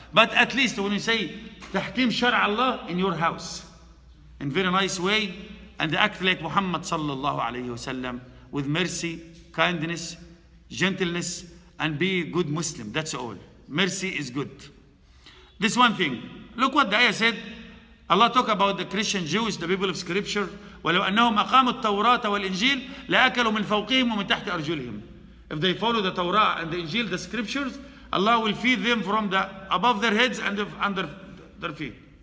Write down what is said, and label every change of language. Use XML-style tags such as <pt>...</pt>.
<en>But at least when you say tahkim shara Allah in your house, in very nice way, and act like Muhammad sallallahu alayhi wasallam with mercy, kindness, gentleness, and be a good Muslim. That's all. Mercy is good. This one thing. Look what the ayah said. Allah talk about the Christian Jews, the people of scripture.</en> <ar>ولو أنهم أقاموا التوراة والإنجيل لأكلوا من فوقهم ومن تحت أرجلهم.</ar> <en>If they follow the Torah and the Injil, the scriptures, Allah will feed them from the above their heads and under their feet.</en>